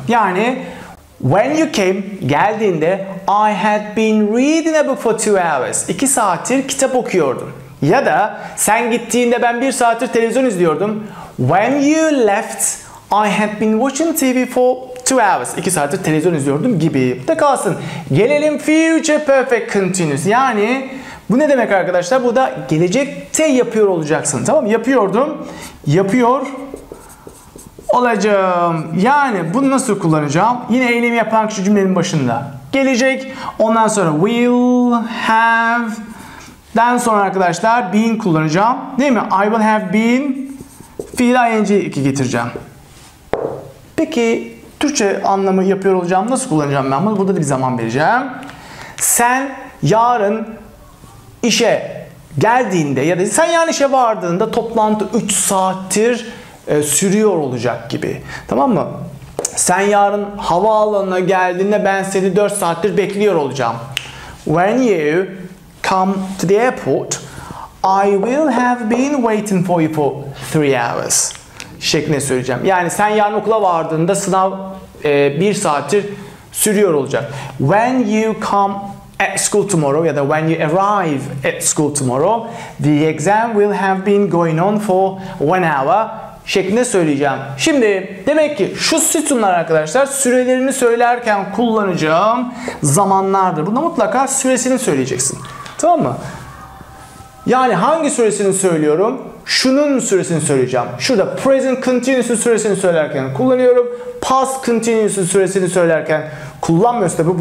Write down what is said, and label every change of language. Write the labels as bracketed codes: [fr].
[tr] Yani [en] when you came, [tr] geldiğinde [en] I had been reading a book for 2 hours. [tr] 2 saattir kitap okuyordum. Ya da sen gittiğinde ben 1 saattir televizyon izliyordum. [en] When you left, I had been watching TV for 2 hours. [tr] 2 saattir televizyon izliyordum gibi. Bu da kalsın. Gelelim future perfect continuous. Yani bu ne demek arkadaşlar? Bu da gelecekte yapıyor olacaksın. Tamam mı? Yapıyordum. Yapıyor olacağım. Yani bunu nasıl kullanacağım? Yine eylemi yapan kişi cümlenin başında. Gelecek. Ondan sonra will, have. Den sonra arkadaşlar been kullanacağım. Değil mi? [en] I will have been. [tr] Fiil ing 2 getireceğim. Peki Türkçe anlamı yapıyor olacağım. Nasıl kullanacağım ben bunu? Burada da bir zaman vereceğim. Sen yarın işe geldiğinde ya da sen yarın işe vardığında toplantı 3 saattir sürüyor olacak gibi. Tamam mı? Sen yarın havaalanına geldiğinde ben seni 4 saattir bekliyor olacağım. [en] When you come to the airport, I will have been waiting for you for 3 hours. [tr] Şeklinde söyleyeceğim. Yani sen yarın okula vardığında sınav 1 saattir sürüyor olacak. [en] When you come at school tomorrow [tr] ya da [en] when you arrive at school tomorrow, the exam will have been going on for 1 hour. [tr] Şeklinde söyleyeceğim. Şimdi demek ki şu sütunlar arkadaşlar sürelerini söylerken kullanacağım zamanlardır. Bunda mutlaka süresini söyleyeceksin. Tamam mı? Yani hangi süresini söylüyorum? Şunun süresini söyleyeceğim. Şurada present continuous'un süresini söylerken kullanıyorum. Past continuous'un süresini söylerken kullanmıyoruz tabii.